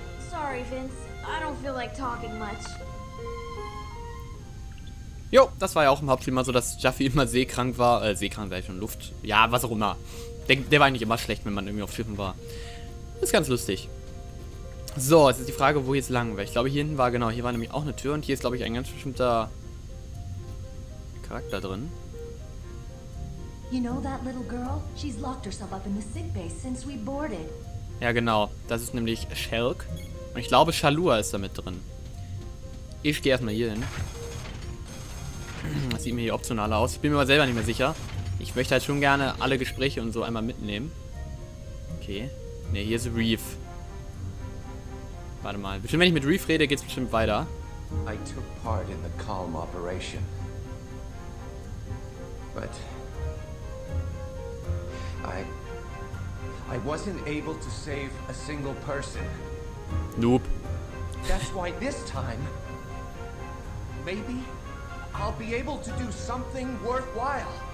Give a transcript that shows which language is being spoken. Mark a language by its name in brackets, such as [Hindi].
[English] Sorry, Vince. I don't feel like talking much. [German] Jo, das war ja auch im Hauptspiel mal so, dass Jaffi immer seekrank war. Seekrank war ich schon, Luft. Ja, was auch immer. Der war eigentlich immer schlecht, wenn man irgendwie auf Schiffen war. Ist ganz lustig. So, jetzt ist die Frage, wo jetzt lang wäre. Ich glaube, hier hinten war, genau, hier war nämlich auch eine Tür. Und hier ist, glaube ich, ein ganz bestimmter Charakter drin. [English] You know that little girl? She's locked herself up in the sick bay since we boarded. [German] Ja, genau. Das ist nämlich Shelk. Und ich glaube, Shalua ist da mit drin. Ich gehe erstmal hier hin. Das sieht mir hier optional aus. Ich bin mir aber selber nicht mehr sicher. Ich möchte halt schon gerne alle Gespräche und so einmal mitnehmen. Okay. Ne, hier ist Reef. Warte mal. Bestimmt, wenn ich mit Reef rede, geht's bestimmt weiter. [English] I took part in the calm operation. But I wasn't able to save a single person. Nope. That's why this time, maybe I'll be able to do something worthwhile.